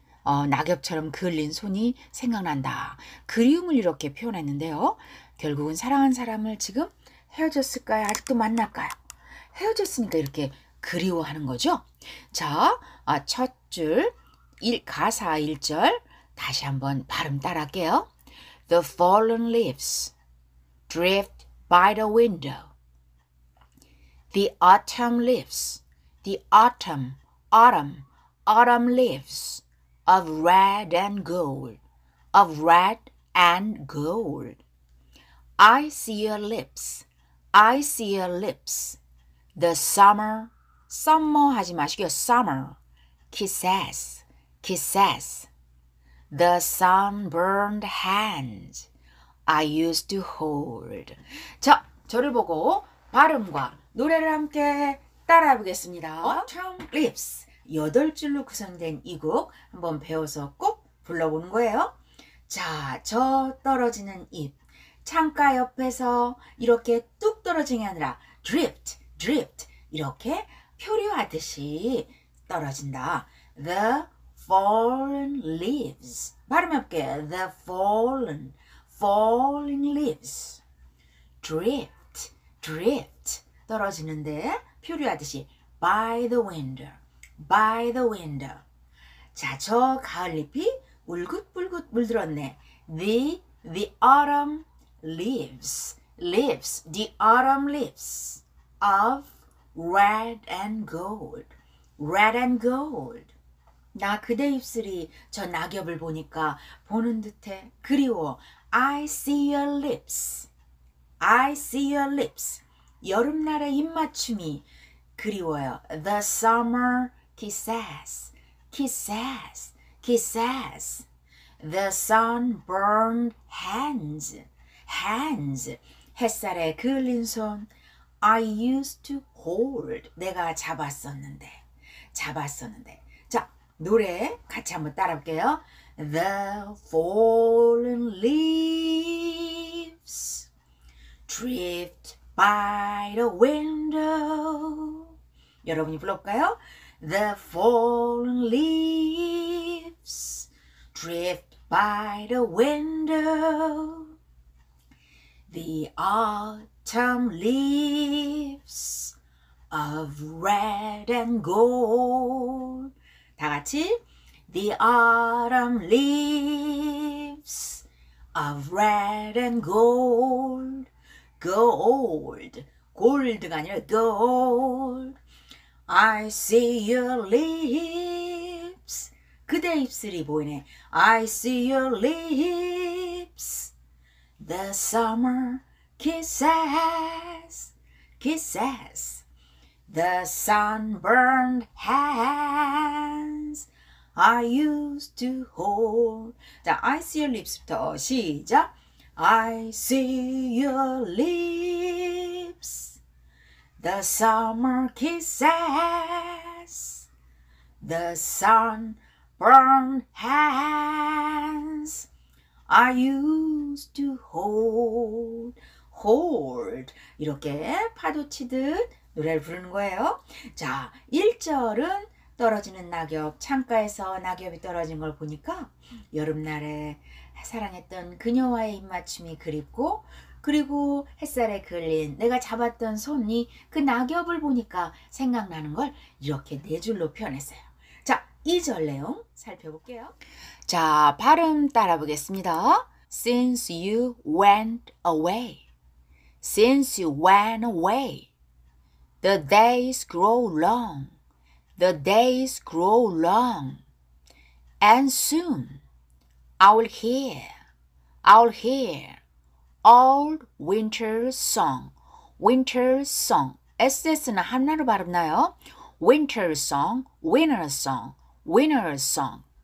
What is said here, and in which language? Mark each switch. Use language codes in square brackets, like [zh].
[ko] 낙엽처럼 그을린 손이 생각난다. 그리움을 이렇게 표현했는데요. 결국은 사랑한 사람을 지금 헤어졌을까요? 아직도 만날까요? 헤어졌으니까 이렇게 그리워하는 거죠. 자, 첫 줄, 가사 1절 다시 한번 발음 따라할게요. [en] The fallen leaves drift by the window. The autumn leaves, the autumn, autumn, autumn leaves. Of red and gold, of red and gold. I see your lips, I see your lips. The summer, summer [ko] 하지 마시고요. [en] Summer, kisses, kisses. The sunburned hands I used to hold. [ko] 자, 저를 보고 발음과 노래를 함께 따라해 보겠습니다. [en] Autumn leaves. [ko] 여덟 줄로 구성된 이곡 한번 배워서 꼭 불러보는 거예요. 자, 저 떨어지는 잎. 창가 옆에서 이렇게 뚝 떨어지게 하느라 drift, drift 이렇게 표류하듯이 떨어진다. [en] The fallen leaves. [ko] 발음해 볼게요. [en] The falling leaves. drift, drift [ko] 떨어지는데 표류하듯이 [en] by the window. By the window. [ko] 자, 저 가을잎이 울긋불긋 물들었네. [en] The autumn leaves. Leaves. The autumn leaves of red and gold. Red and gold. [ko] 나 그대 입술이 저 낙엽을 보니까 보는 듯해 그리워. [en] I see your lips. I see your lips. [ko] 여름날의 입맞춤이 그리워요. [en] The summer kisses, kisses, kisses. The sun burned hands, hands. [ko] 햇살에 그을린 손. [en] I used to hold. [ko] 내가 잡았었는데, 잡았었는데. 자, 노래 같이 한번 따라 볼게요. [en] The fallen leaves drift by the window. [ko] 여러분이 불러볼까요? [en] The fallen leaves drift by the window. The autumn leaves of red and gold. [ko] 다 같이. [en] The autumn leaves of red and gold. Gold. [ko] 골드가 아니라 gold. [en] I see your lips. [ko] 그대 입술이 보이네. [en] I see your lips. The summer kisses, kisses. The sunburned hands I used to hold. 자, I see your lips부터 시작. I see your lips. The summer kisses, the sunburned hands I used to hold, hold. [ko] 이렇게 파도 치듯 노래를 부르는 거예요. 자, 1절은 떨어지는 낙엽, 창가에서 낙엽이 떨어진 걸 보니까 여름날에 사랑했던 그녀와의 입맞춤이 그립고, 그리고 햇살에 그을린 내가 잡았던 손이 그 낙엽을 보니까 생각나는 걸 이렇게 네 줄로 표현했어요. 자, 2절 내용 살펴볼게요. 자, 발음 따라 보겠습니다. [en] Since you went away. Since you went away. The days grow long. The days grow long. And soon I'll hear. I'll hear. Old winter song, winter song. [ko] SS는 하나로 발음나요? [en] Winter song, winter song, winter song.